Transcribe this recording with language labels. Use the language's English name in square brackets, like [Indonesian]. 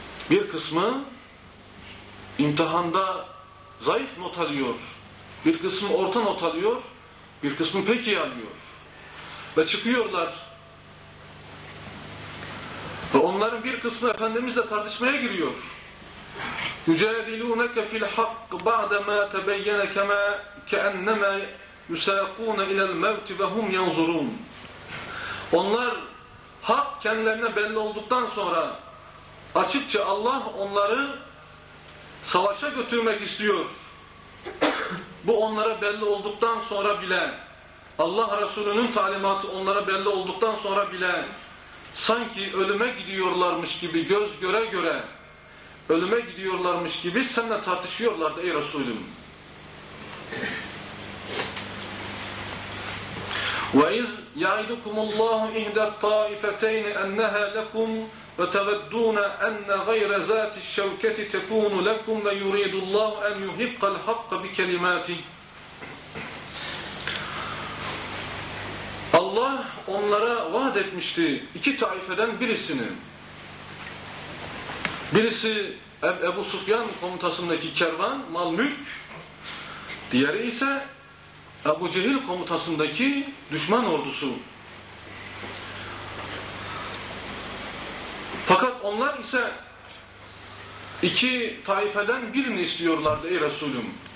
[Turkish] Bir kısmı imtihanda zayıf not alıyor. Bir kısmı orta not alıyor. Bir kısmı pek iyi alıyor. Ve çıkıyorlar. Ve onların bir kısmı Efendimizle tartışmaya giriyor. [Arabic] يُجَادِلُونَكَ فِي الْحَقِّ بَعْدَ مَا تَبَيَّنَ كَمَا كَأَنَّمَا يُسَاقُونَ اِلَى الْمَوْتِ وَهُمْ يَنْظُرُونَ [Turkish] Onlar hak kendilerine belli olduktan sonra açıkça Allah onları savaşa götürmek istiyor. Bu onlara belli olduktan sonra bile, Allah Resulü'nün talimatı onlara belli olduktan sonra bile sanki ölüme gidiyorlarmış gibi göz göre göre ölüme gidiyorlarmış gibi seninle tartışıyorlardı ey Resulüm. [Arabic] وَاِذْ يَعِدُكُمُ اللّٰهُ اِهْدَ الطَّائِفَتَيْنِ اَنَّهَا لَكُمْ وَتَوَدُّونَ اَنَّ غَيْرَ ذَاتِ الشَّوْكَةِ تَكُونُ لَكُمْ وَيُرِيدُ اللّٰهُ اَنْ يُحِبَّ الْحَقَّ بِكَلِمَاتِهِ [Turkish] Allah onlara vaat etmişti iki taifeden birisini. Birisi Ebu Sufyan komutasındaki kervan, mal mülk. Diğeri ise Ebu Cehil komutasındaki düşman ordusu. Fakat onlar ise iki taifeden birini istiyorlardı ey Resulüm.